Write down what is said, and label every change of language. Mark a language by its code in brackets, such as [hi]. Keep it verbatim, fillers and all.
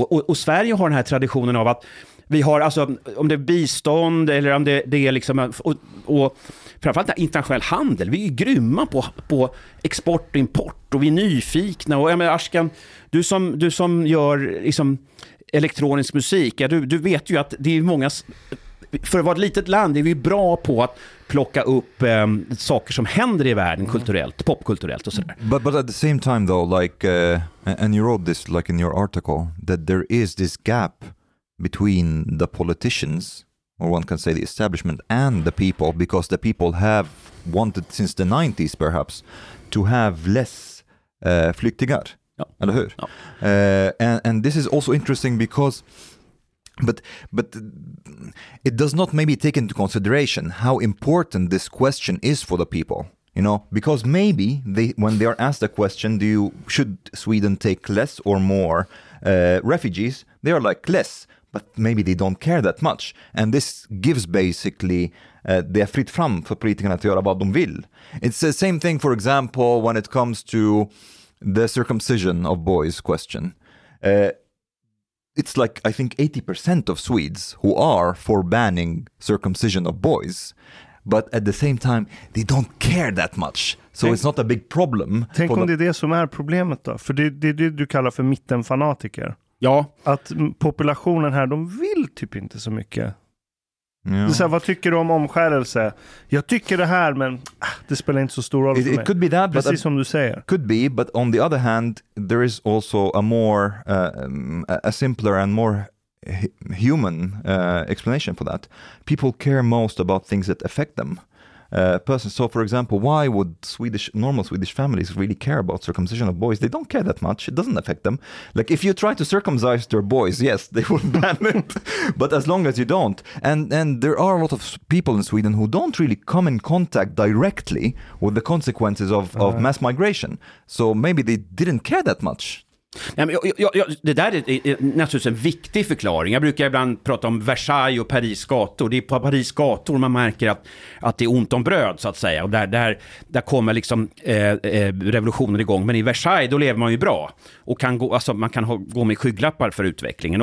[sv] Och, och Sverige har den här traditionen av att vi har, alltså om det är bistånd eller om det, det är liksom, och, och framförallt internationell handel, vi är ju grymma på, på export och import och vi är nyfikna. Och jag menar, Ashkan, du som, du som gör liksom, elektronisk musik, ja, du, du vet ju att det är många, för att vara ett litet land är vi bra på att plocka upp eh, saker som händer i världen kulturellt, popkulturellt och sådär. [en] But, but at the same time though, like, uh, and you wrote this like in your article, that there is this gap between the politicians, or one can say the establishment, and the people, because the people have wanted since the nineties perhaps to have less uh, flyktingar, [sv] ja. Eller hur? Ja. [en] Uh, and, and this is also interesting because, but but it does not maybe take into consideration how important this question is for the people. You know, because maybe they, when they are asked the question, do you, should Sweden take less or more uh, refugees? They are like less. But maybe they don't care that much. And this gives basically, uh, [sv] det är fritt fram för politikerna att göra vad de vill. [en] It's the same thing, for example, when it comes to the circumcision of boys question. Uh, it's like, I think, eighty percent of Swedes who are for banning circumcision of boys. But at the same time, they don't care that much. So [sv] tänk, [en] it's not a big problem. [sv] Tänk om the... det är det som är problemet då. För det är det, det du kallar för mittenfanatiker. Ja. Att populationen här, de vill typ inte så mycket. Ja. Det är så här, vad tycker du om omskärelse? Jag tycker det här, men ah, det spelar inte så stor roll [en] it, [sv] för mig. [en] It could be that, [sv] precis [en] but [sv] som du säger. [en] Could be, but on the other hand, there is also a more, uh, a simpler and more human uh, explanation for that. People care most about things that affect them. Uh, person. So, for example, why would Swedish normal Swedish families really care about circumcision of boys? They don't care that much. It doesn't affect them. Like if you try to circumcise their boys, yes, they will ban it. But as long as you don't, and and there are a lot of people in Sweden who don't really come in contact directly with the consequences of, uh-huh. of mass migration. So maybe they didn't care that much. [sv] Nej, men jag, jag, jag, det där är, är naturligtvis en viktig förklaring. Jag brukar ibland prata om Versailles och Paris gator. Det är på Paris gator man märker att, att det är ont om bröd så att säga. Och där, där, där kommer liksom eh, revolutionen igång. Men i Versailles då lever man ju bra och kan gå, alltså, man kan ha, gå med skygglappar för utvecklingen.